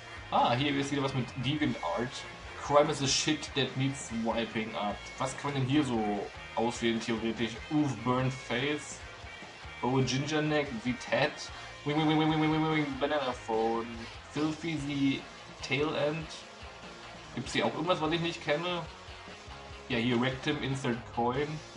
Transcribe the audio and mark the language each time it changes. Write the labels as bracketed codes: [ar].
[de] Ah, hier ist wieder was mit Deviant Art. [en] Crime is a shit that needs wiping up. [de] Was kann man denn hier so auswählen, theoretisch? [en] Oof, burnt face. Oh, Ginger Neck, Vitat. Wing, Banana Phone. Filthy the Tail End. [de] Gibt's hier auch irgendwas, was ich nicht kenne? Ja, hier Rectum Insert Coin.